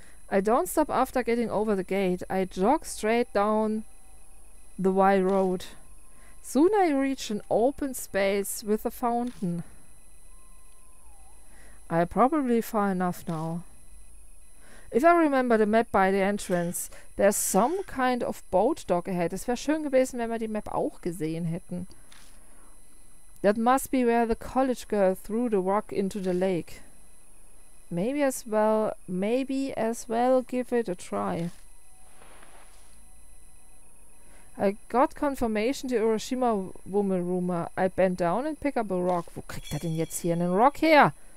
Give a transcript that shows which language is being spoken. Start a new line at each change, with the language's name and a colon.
English: I don't stop after getting over the gate. I jog straight down the Y road. Soon I reach an open space with a fountain. I'm probably far enough now. If I remember the map by the entrance, there's some kind of boat dock ahead.
German: Es wäre schön gewesen, wenn wir die Map auch gesehen hätten.
English: That must be where the college girl threw the rock into the lake. Maybe as well give it a try. I got confirmation the Hiroshima woman rumor. I bent down and pick up a rock.
German: Wo kriegt er denn jetzt hier einen Rock her?